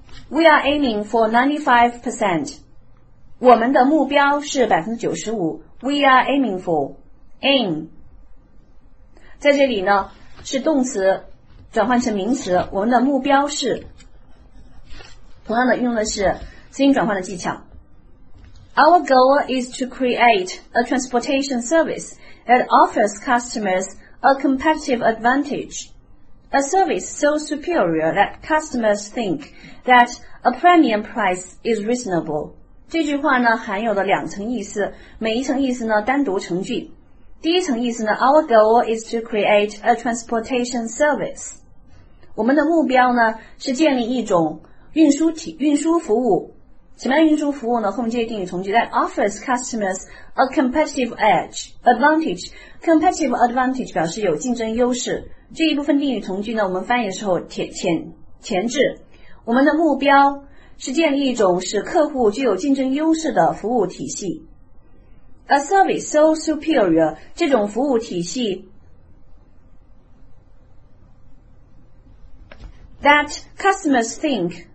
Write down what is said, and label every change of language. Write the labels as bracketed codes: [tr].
[en] We are aiming for 95%. [zh] 我们的目标是 95%. [en] We are aiming for. Aim. [zh] 在这里呢，是动词转换成名词，我们的目标是，同样的运用的是词音转换的技巧。 [en] Our goal is to create a transportation service that offers customers a competitive advantage. A service so superior that customers think that a premium price is reasonable. [zh] 这句话呢含有了两层意思，每一层意思呢单独成句。第一层意思呢， [en] Our goal is to create a transportation service. [zh] 我们的目标呢是建立一种运输服务。什么样运输服务呢？后面这些定语从句 [en] that offers customers a competitive edge advantage. Competitive advantage [zh] 表示有竞争优势。这一部分定语从句呢，我们翻译的时候前置。我们的目标是建立一种使客户具有竞争优势的服务体系。 [en] A service so superior, [zh] 这种服务体系 [en] that customers think.